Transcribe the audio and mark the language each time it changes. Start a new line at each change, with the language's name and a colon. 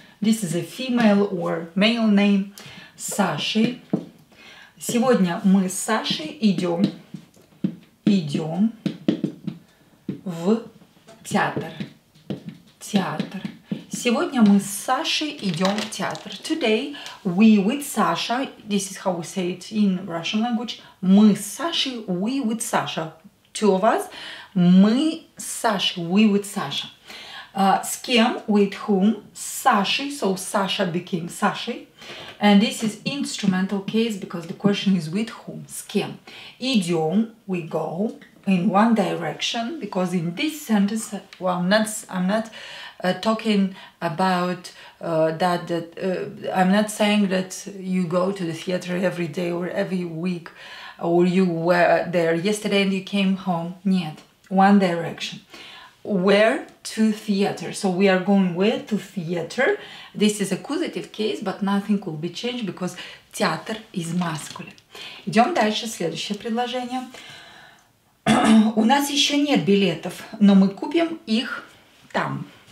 English: This is a female or male name. Сашей.
Russian: Сегодня мы с Сашей идем в театр. Театр. Сегодня мы с Сашей идем в театр.
English: Today we with Sasha. This is how we say it in Russian language.
Russian: Мы с Сашей,
English: we with Sasha. Two of us.
Russian: Мы с Сашей,
English: we with Sasha.
Russian: С кем,
English: with whom,
Russian: с Сашей,
English: so Sasha became Сашей. And this is instrumental case because the question is with whom,
Russian: с кем. Идем,
English: we go, in one direction, because in this sentence, well, I'm not saying that you go to the theater every day or every week, or you were there yesterday and you came home.
Russian: Нет,
English: one direction. Where to theater? So we are going where to theater. This is accusative case, but nothing will be changed because theater is masculine.
Russian: Идем дальше, следующее предложение. У нас еще нет билетов, но мы купим их там.